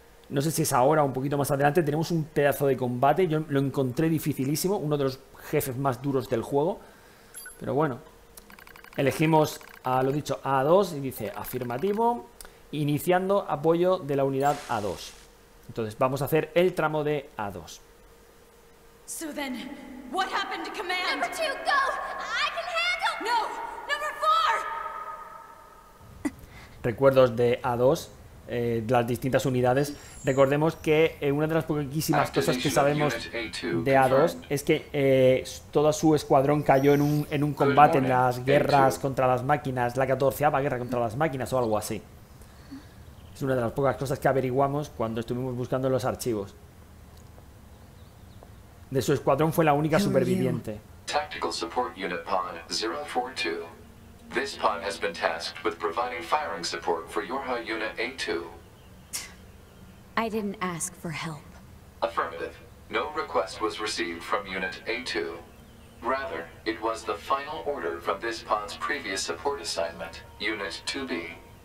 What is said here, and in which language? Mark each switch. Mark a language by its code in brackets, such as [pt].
[es] No sé si es ahora o un poquito más adelante. Tenemos un pedazo de combate. Yo lo encontré dificilísimo, uno de los jefes más duros del juego. Pero bueno, elegimos a lo dicho A2 y dice afirmativo, iniciando apoyo de la unidad A2. Entonces vamos a hacer el tramo de A2. [en] So then, what happened to command? Number two, go! I can handle. No, number four. [es] Recuerdos de A2, de las distintas unidades. Recordemos que una de las poquísimas cosas que sabemos de A2 es que todo su escuadrón cayó en un combate en las guerras contra las máquinas, la 14ª guerra contra las máquinas o algo así. Es una de las pocas cosas que averiguamos cuando estuvimos buscando en los archivos. De su escuadrón fue la única [en] Who are you? [es] superviviente. [en] Tactical Support Unit Pod 042. This pod has been tasked with providing firing support for Yorha Unit A2. I didn't ask for help. Affirmative. No request was received from Unit A2. Rather, it was the final order from this pod's previous support assignment, Unit 2B.